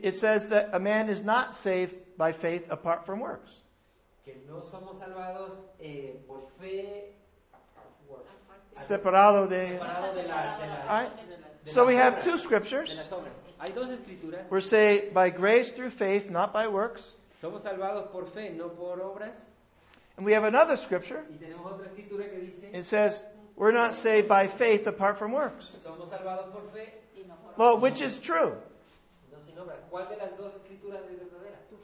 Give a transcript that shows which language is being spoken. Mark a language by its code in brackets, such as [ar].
[en] it says that a man is not saved by faith apart from works. [es] Que no somos salvados por fe. Separado de. [en] Right? So we have two scriptures. [es] Hay dos escrituras. [en] We're saved by grace through faith, not by works. [es] Somos salvados por fe, no por obras. [en] And we have another scripture. [es] Y tenemos otra escritura que dice, [en] it says, we're not saved by faith apart from works. [es] Somos salvados por fe, y no por [en] obras. Well, which is true? [es] ¿Cuál de las dos escrituras es verdadera?